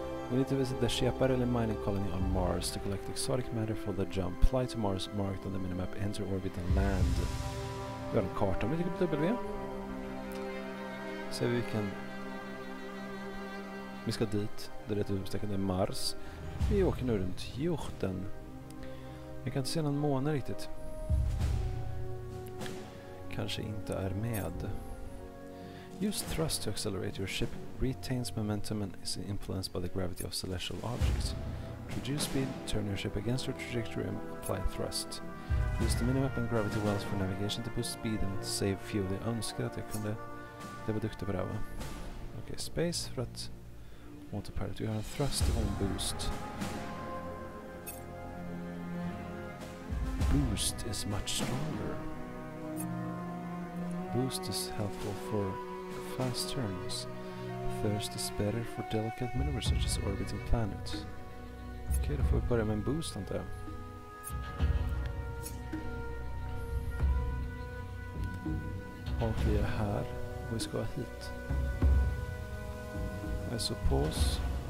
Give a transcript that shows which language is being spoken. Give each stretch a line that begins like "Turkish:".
English: We need to visit the Schiaparelli mining colony on Mars to collect exotic matter for the jump. Fly to Mars marked on the minimap, enter orbit and land.
Swedish: Vi har en karta om vi trycker på W. Så vi kan... Vi ska dit, det är rätt utsträckande, det är Mars. Vi åker nu runt jorden. Vi kan inte se någon måne riktigt. Kanske inte är med.
English: Use thrust to accelerate your ship, retains momentum and is influenced by the gravity of celestial objects. Reduce speed, turn your ship against your trajectory and apply thrust. Use the minimap and gravity wells for navigation to boost speed and save fuel.
Swedish: Jag önskar att jag kunde... Det var duktig på det här, va? Okej, space för att... Autopilot. Vi har en thrust och en boost.
English: Boost is much stronger. Boost is helpful for... Fast turns. Thirst is better for delicate maneuvers such as orbiting planets.
Swedish: Okej, då får vi börja med en boost, antar jag. Och vi är här. Och vi ska hit.
English: I suppose.